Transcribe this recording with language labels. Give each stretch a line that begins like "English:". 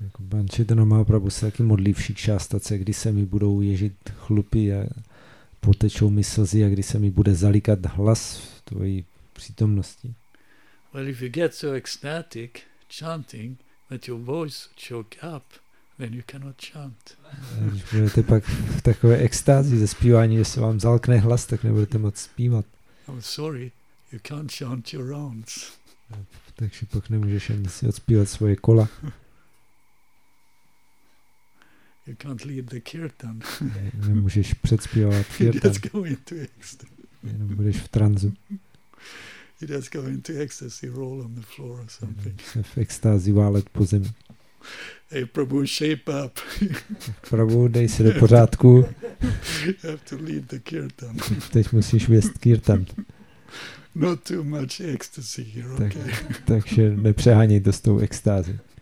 Czech: Pan Chaitanya Mahaprabhu se taky modlí v Shikshastace, kdy se mi budou ježit chlupy a potečou mi slzy a kdy se mi bude zalikat hlas v tvojí přítomnosti.
English: Well, if you get so ecstatic chanting that your voice choke up, then you cannot chant.
Czech: Budete pak v takové extázi ze zpívání, že se vám zalkne hlas, tak nebudete moc zpívat.
English: I'm sorry, you can't chant your rounds.
Czech: Takže pak nemůžeš ani si odspívat svoje kola.
English: You can't lead the kirtan.
Czech: Nemůžeš předspívat kirtan.
English: You just go into ecstasy.
Czech: Jenom budeš v tranzu.
English: You just go into ecstasy, roll on the floor or something.
Czech: V extázi válet po zemi.
English: Hey, Prabhu, shape up.
Czech: Prabhu, dej se do pořádku.
English: You have to lead the kirtan.
Czech: Teď musíš vést kirtan.
English: Not too much ecstasy here, okay?
Czech: Takže nepřeháněj to s tou extázi.